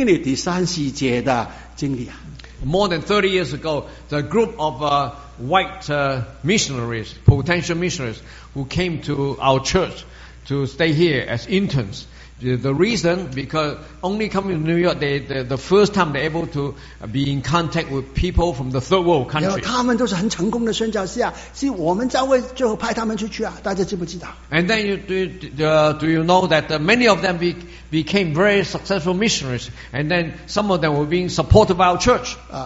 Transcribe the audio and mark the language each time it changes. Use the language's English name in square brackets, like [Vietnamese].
[Chinese] 我这试试啊，以前啊，三十多年前，有一批啊，在美国中部啊，那白人的宣教士啊，要来到我们教会学习啊，就因为他们要在纽约City啊，才能够经历第三世界的经历啊。 [English] More than 30 years ago, the group of white missionaries, potential missionaries, who came to our church to stay here as interns. The reason, because only coming to New York, the first time they're able to be in contact with people from the third world country. [Chinese] 他们都是很成功的宣教士啊，是我们教会最后派他们出去啊， 大家记不记得？ [English] And then do you know that many of them became very successful missionaries, and then some of them were being supported by our church.